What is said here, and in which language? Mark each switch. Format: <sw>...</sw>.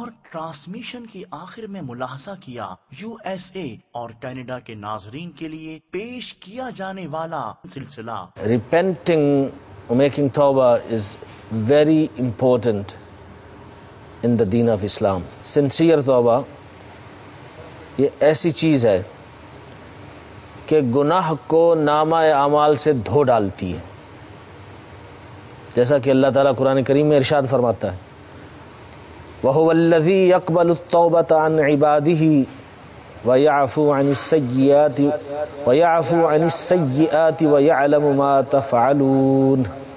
<ur>Transmission کی آخر میں ملاحظہ کیا، یو ایس اے اور کینیڈا کے ناظرین کے لیے پیش کیا جانے والا سلسلہ</ur> <en>Repenting making توبہ is very important in the دین of Islam.</en> <ur>Sincere توبہ یہ ایسی چیز ہے کہ گناہ کو نامہ اعمال سے دھو ڈالتی ہے، جیسا کہ اللہ تعالیٰ قرآن کریم میں ارشاد فرماتا ہے</ur> <ar>وَهُوَ الَّذِي يَقْبَلُ التَّوْبَةَ عَنْ عِبَادِهِ وَيَعْفُو عَنِ السَّيِّئَاتِ وَيَعْلَمُ مَا تَفْعَلُونَ.</ar>